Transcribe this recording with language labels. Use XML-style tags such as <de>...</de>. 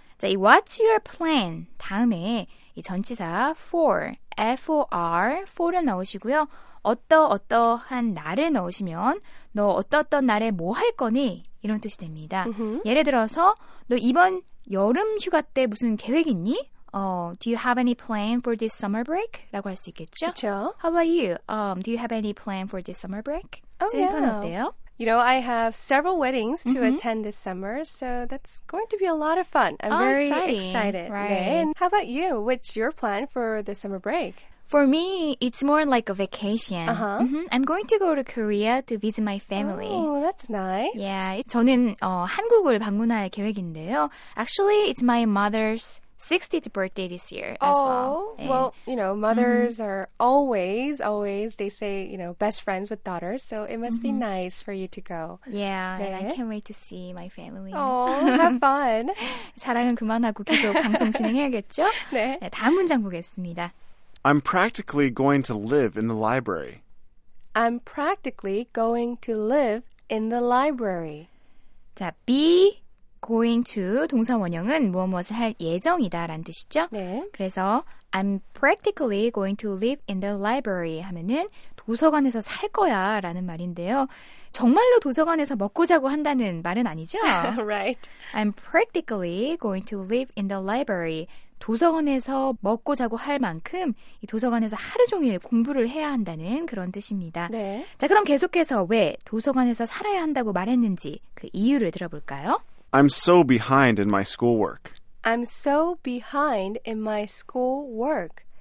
<ko>자, 이 What's your plan? 다음에 이 전치사 for, F-O-R, for를 넣으시고요. 어떠어떠한 날을 넣으시면 너 어떠어떤 날에 뭐 할 거니? 이런 뜻이 됩니다. Mm-hmm. 예를 들어서 너 이번 여름 휴가 때 무슨 계획 있니?</ko> <en>Do you have any plan for this summer break?</en> <ko>라고 할 수 있겠죠? 그쵸.</ko> <en>How about you? Do you have any plan for this summer break? Oh, yeah.</en> <ko>이건 어때요?</ko> <en>You know, I have several weddings to attend this summer, so that's going to be a lot of fun. I'm very excited. Right. Yeah. And how about you? What's your plan for the summer break? For me, it's more like a vacation. Uh-huh. Mm-hmm. I'm going to go to Korea to visit my family. Oh, that's nice.</en> <ko>Yeah, 저는 한국을 방문할 계획인데요.</ko> <en>Actually, it's my mother's 60th birthday this year as well. Well, you know, mothers are always, they say, you know, best friends with daughters. So it must be nice for you to go. Yeah, 네. And I can't wait to see my family. Oh, have fun.</en> <ko>자랑은 그만하고 계속 방송 진행해야겠죠? 네. 네, 다음 문장 보겠습니다.</ko> <en>I'm practically going to live in the library. I'm practically going to live in the library.</en> <ko>자, be going to 동사 원형은 무엇무엇을 할 예정이다라는 뜻이죠. 네. 그래서 I'm practically going to live in the library 하면은 도서관에서 살 거야라는 말인데요. 정말로 도서관에서 먹고 자고 한다는 말은 아니죠?</ko> <en>Right. I'm practically going to live in the library.</en> <ko>도서관에서 먹고 자고 할 만큼 이 도서관에서 하루 종일 공부를 해야 한다는 그런 뜻입니다. 네. 자, 그럼 계속해서 왜 도서관에서 살아야 한다고 말했는지 그 이유를 들어볼까요?</ko> <en>I'm so behind in my schoolwork. I'm so behind in my schoolwork.</en>